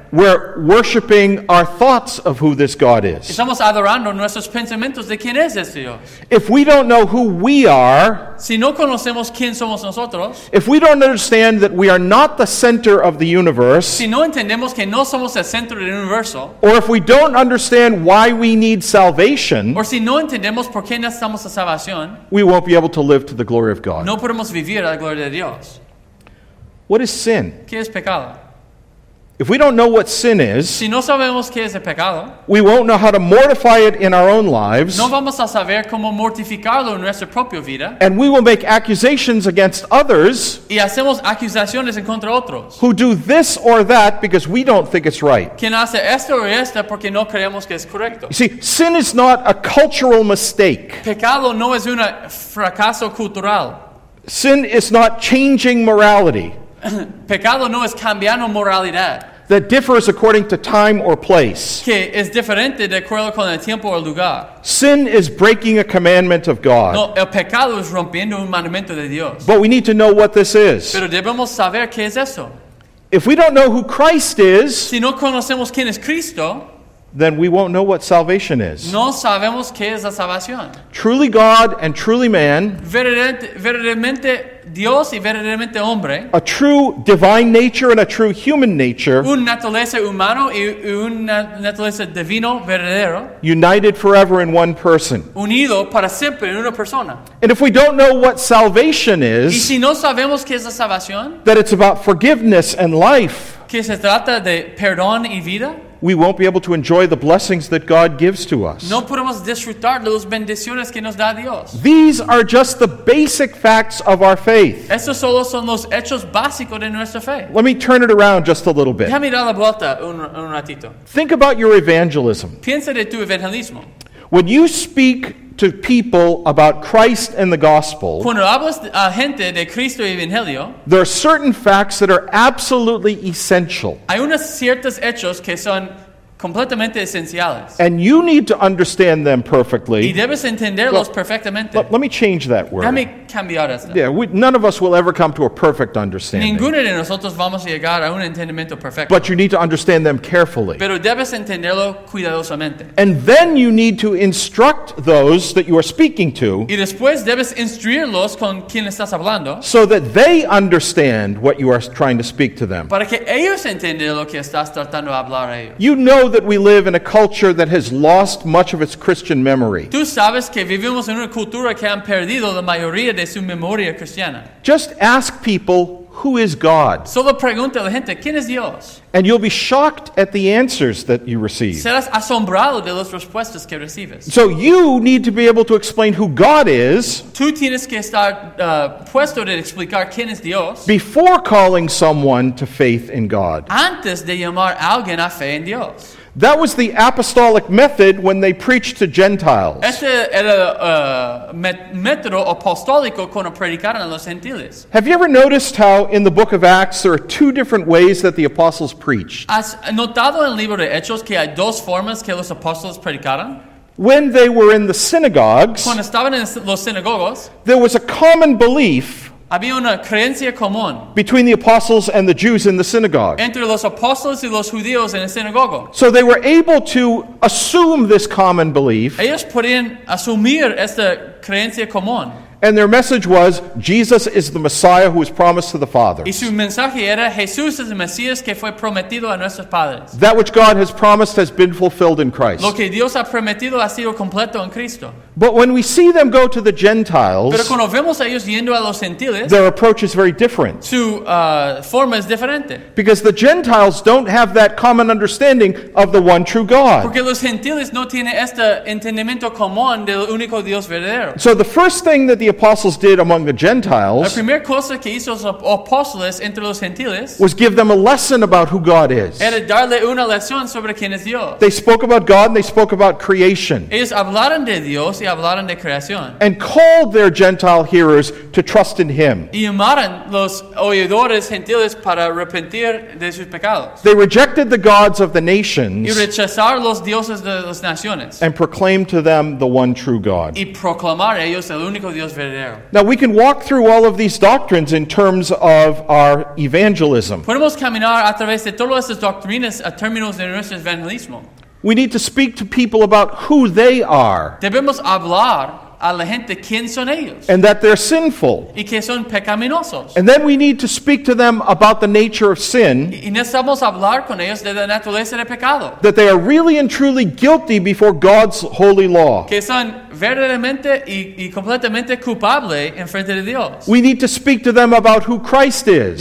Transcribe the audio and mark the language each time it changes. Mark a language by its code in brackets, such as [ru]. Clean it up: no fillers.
[en] We're worshiping our thoughts of who this God is. [es] Estamos adorando nuestros pensamientos de quién es este Dios. [en] If we don't know who we are, [es] si no conocemos quién somos nosotros, [en] if we don't understand that we are not the center of the universe, [es] si no entendemos que no somos el centro del universo, [en] or if we don't understand why we need salvation, or [es] si no entendemos por qué necesitamos la salvación, [en] we won't be able to live to the glory of God. [es] No podemos vivir a la gloria de Dios. [en] What is sin? [es] ¿Qué es pecado? [en] If we don't know what sin is, [es] si no sabemos qué es el pecado, [en] we won't know how to mortify it in our own lives. [es] No vamos a saber cómo mortificarlo en nuestra propia vida. [en] And we will make accusations against others, [es] y hacemos acusaciones en contra otros, [en] who do this or that because we don't think it's right. [es] Quien hace esto o esta porque no creemos que es correcto. [en] You see, sin is not a cultural mistake. [es] Pecado no es un fracaso cultural. [en] Sin is not changing morality. [es] Pecado no es cambiando moralidad. [en] That differs according to time or place. [es] Que es diferente de acuerdo con el tiempo o el lugar. [en] Sin is breaking a commandment of God. [es] No, el pecado es rompiendo un mandamiento de Dios. [en] But we need to know what this is. [es] Pero debemos saber qué es eso. [en] If we don't know who Christ is, [es] si no conocemos quién es Cristo, [en] then we won't know what salvation is. [es] No sabemos qué es la salvación. [en] Truly God and truly man. [es] Verdaderamente Dios y verdaderamente hombre. [en] A true divine nature and a true human nature. [es] Un naturaleza humano y un naturaleza divino verdadero. [en] United forever in one person. [es] Unido para siempre en una persona. [en] And if we don't know what salvation is, [es] y si no sabemos qué es la salvación, [en] that it's about forgiveness and life, [es] que se trata de perdón y vida, [en] we won't be able to enjoy the blessings that God gives to us. [es] No podemos disfrutar de las bendiciones que nos da Dios. [en] These are just the basic facts of our faith. [es] Estos solo son los hechos básicos de nuestra fe. [en] Let me turn it around just a little bit. [es] Déjame dar la vuelta un ratito. [en] Think about your evangelism. [es] Piensa de tu evangelismo. [en] When you speak to people about Christ and the gospel, [es] cuando hablas a gente de Cristo y Evangelio, [en] there are certain facts that are absolutely essential. [es] Hay unos ciertos hechos que son completamente esenciales. [en] And you need to understand them perfectly. [es] Y debes entenderlos [en] well, [es] perfectamente. [en] Let me change that word. [es] Déjame cambiar eso. [en] Yeah, none of us will ever come to a perfect understanding. [es] Ninguno de nosotros vamos a llegar a un entendimiento perfecto. [en] But you need to understand them carefully. [es] Pero debes entenderlo cuidadosamente. [en] And then you need to instruct those that you are speaking to. [es] Y después debes instruirlos con quien estás hablando. [en] So that they understand what you are trying to speak to them. [es] Para que ellos entiendan lo que estás tratando de hablar a ellos. [en] You know that we live in a culture that has lost much of its Christian memory. [es] Tú sabes que vivimos en una cultura que han perdido la mayoría de su memoria cristiana. [en] Just ask people, who is God? [es] Solo pregunta a la gente, ¿quién es Dios? [en] And you'll be shocked at the answers that you receive. [es] Serás asombrado de las respuestas que recibes. [en] So you need to be able to explain who God is. [es] Tú tienes que estar puesto de explicar quién es Dios. [en] Before calling someone to faith in God. [es] Antes de llamar a alguien a fe en Dios. [en] That was the apostolic method when they preached to Gentiles. [es] Este era método apostólico cuando predicaron a los gentiles. [en] Have you ever noticed how in the book of Acts there are two different ways that the apostles preached? [es] ¿Has notado en el libro de Hechos que hay dos formas que los apóstoles predicaron? [en] When they were in the synagogues, [es] cuando estaban en los sinagogos, [en] there was a common belief [es] Había una creencia común [en] between the apostles and the Jews in the synagogue. [es] Entre los apóstoles y los judíos en el sinagogo. [en] So they were able to assume this common belief. [es] Ellos podían asumir esta creencia común. [en] And their message was, Jesus is the Messiah who was promised to the fathers. [es] Y su mensaje era, Jesús es el Mesías que fue prometido a nuestros padres. [en] That which God has promised has been fulfilled in Christ. [es] Lo que Dios ha prometido ha sido completo en Cristo. [en] But when we see them go to the Gentiles, [es] pero cuando vemos a ellos yendo a los gentiles, [en] their approach is very different. [es] Su forma es diferente. [en] Because the Gentiles don't have that common understanding of the one true God. [es] Porque los gentiles no tienen este entendimiento común del único Dios verdadero. [en] So the first thing that the apostles did among the Gentiles, [es] la primera cosa que hizo los apóstoles entre los gentiles, [en] was give them a lesson about who God is. [es] Era darle una lección sobre quién es Dios. [en] They spoke about God and they spoke about creation. [es] Ellos hablaron de Dios y hablaron de creación. [en] And called their Gentile hearers to trust in Him. [es] Y llamaron los oyedores gentiles para arrepentir de sus pecados. [en] They rejected the gods of the nations [es] y rechazaron los dioses de las naciones [en] and proclaimed to them the one true God. [es] Y proclamar a ellos el único. [en] Now we can walk through all of these doctrines in terms of our evangelism. [es] Podemos caminar a través de todas estas doctrinas a términos de nuestro evangelismo. [en] We need to speak to people about who they are. [es] Debemos hablar a la gente quién son ellos. [en] And that they're sinful. [es] Y que son pecaminosos. [en] And then we need to speak to them about the nature of sin. [es] Y necesitamos hablar con ellos de la naturaleza del pecado. [en] That they are really and truly guilty before God's holy law. [es] Que son verdaderamente y completamente culpable en frente de Dios. [en] We need to speak to them about who Christ is.